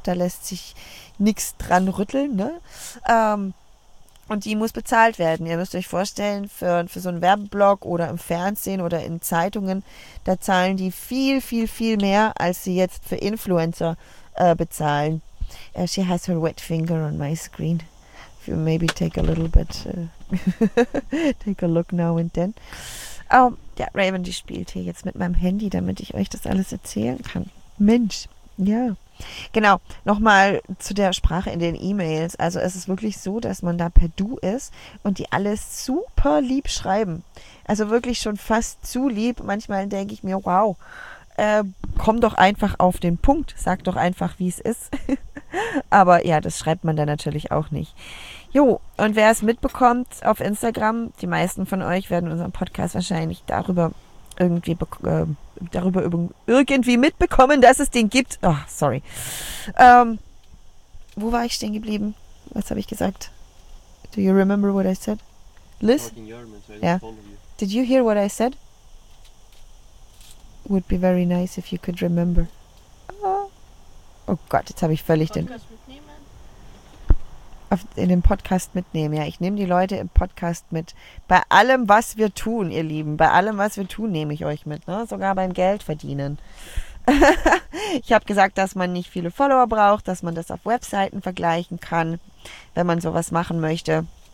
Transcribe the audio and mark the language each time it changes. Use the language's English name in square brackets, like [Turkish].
[German] Da lässt sich nichts dran rütteln, ne? Und die muss bezahlt werden. Ihr müsst euch vorstellen, für so einen Werbeblog oder im Fernsehen oder in Zeitungen, da zahlen die viel, viel, viel mehr, als sie jetzt für Influencer bezahlen. [English] She has her wet finger on my screen. If you maybe take a little bit, take a look now and then. [German] Ja, Raven, die spielt hier jetzt mit meinem Handy, damit ich euch das alles erzählen kann. Mensch, ja. Genau, nochmal zu der Sprache in den E-Mails. Also es ist wirklich so, dass man da per Du ist und die alles super lieb schreiben. Also wirklich schon fast zu lieb. Manchmal denke ich mir, wow, komm doch einfach auf den Punkt. Sag doch einfach, wie es ist. Aber ja, das schreibt man dann natürlich auch nicht. Jo, und wer es mitbekommt auf Instagram, die meisten von euch werden unseren Podcast wahrscheinlich darüber irgendwie mitbekommen, dass es den gibt. [English] Oh, sorry. [German] Wo war ich stehen geblieben? Was habe ich gesagt? [English] Do you remember what I said? Liz? Yeah. Did you hear what I said? Would be very nice if you could remember. [German] Oh Gott, jetzt habe ich völlig den... In den Podcast mitnehmen. Ja, ich nehme die Leute im Podcast mit. Bei allem, was wir tun, ihr Lieben, bei allem, was wir tun, nehme ich euch mit. Ne? Sogar beim Geld verdienen. Ich habe gesagt, dass man nicht viele Follower braucht, dass man das auf Webseiten vergleichen kann, wenn man sowas machen möchte.